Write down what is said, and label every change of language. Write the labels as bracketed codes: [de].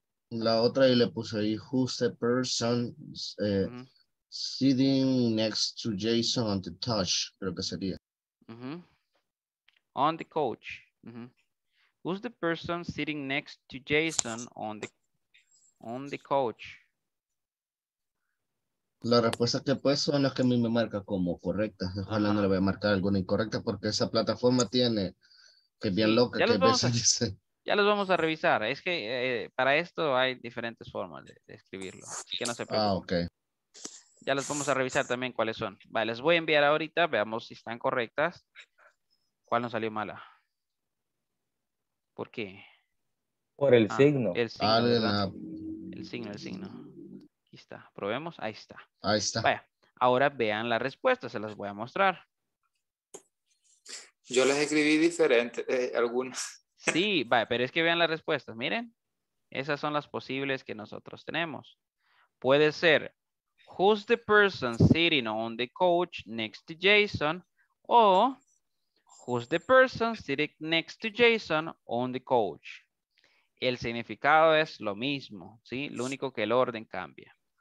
[es] La otra y le puse ahí, [en] who's the person sitting next to Jason on the couch, [es] creo que sería. [en] On the couch. Who's the person sitting next to Jason on the couch? [es] La respuesta que pues son las que a mí me marca como correctas. Ojalá no le voy a marcar alguna incorrecta porque esa plataforma tiene que es bien loca. Ya, que ya los vamos a revisar. Es que para esto hay diferentes formas de escribirlo. Así que no se preocupen. Ah, ok. Ya los vamos a revisar también cuáles son. Vale, les voy a enviar ahorita. Veamos si están correctas. ¿Cuál nos salió mala? ¿Por qué? Por el signo. El signo. El signo. Ahí está, probemos, ahí está. Ahí está. Vaya, ahora vean la respuesta, se las voy a mostrar. Yo las escribí diferente, algunas. Sí, vaya, pero es que vean las respuestas, miren. Esas son las posibles que nosotros tenemos. Puede ser, [en] who's the person sitting on the couch next to Jason? O, who's the person sitting next to Jason on the couch? [es] El significado es lo mismo, ¿sí? Lo único que el orden cambia.